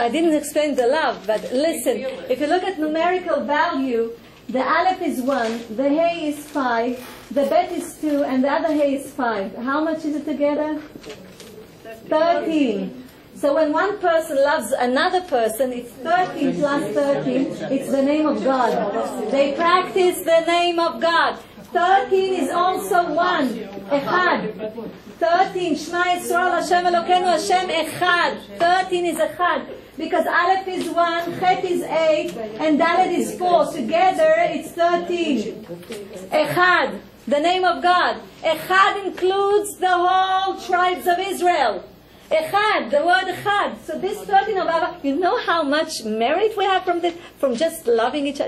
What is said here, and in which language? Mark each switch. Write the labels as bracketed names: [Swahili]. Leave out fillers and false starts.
[English] I didn't explain the love, but listen, if you look at numerical value, the Aleph is 1, the He is 5, the Bet is 2, and the other He is 5. How much is it together? 13. So when one person loves another person, it's 13 plus 13, it's the name of God. They practice the name of God. 13 is also 1. [Hebrew] אחד. 13, שמע ישראל, השם אלוקינו, השם אחד. [English] 13 is אחד. Because Aleph is 1, Chet is 8, and Dalet is 4. Together it's 13. אחד, the name of God. אחד includes the whole tribes of Israel. Echad, the word Echad. So this 13 of Abba, you know how much merit we have from this, from just loving each other?